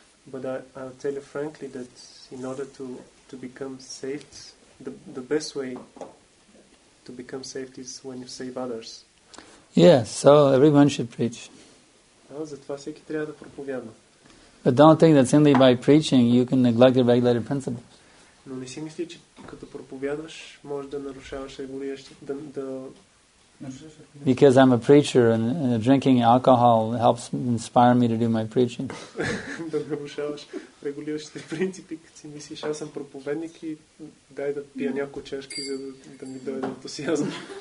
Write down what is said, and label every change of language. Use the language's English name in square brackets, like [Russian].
[English] But I'll tell you frankly that in order to become saved, the best way to become saved is when you save others. Yes, so everyone should preach. [Bulgarian] Затова всеки трябва да проповядва. [English] But don't think that simply by preaching you can neglect the regulative principle. [Bulgarian] Но не си мисли, че като проповядваш, можеш да нарушаваш регулиращите, да... [English] Because I'm a preacher and drinking alcohol helps inspire me to do my preaching. [Bulgarian] Да нарушаваш регулиращите принципи, като си мислиш, аз съм проповедник и дай да пия няколко чашки, за да ми дойде ентусиазъм.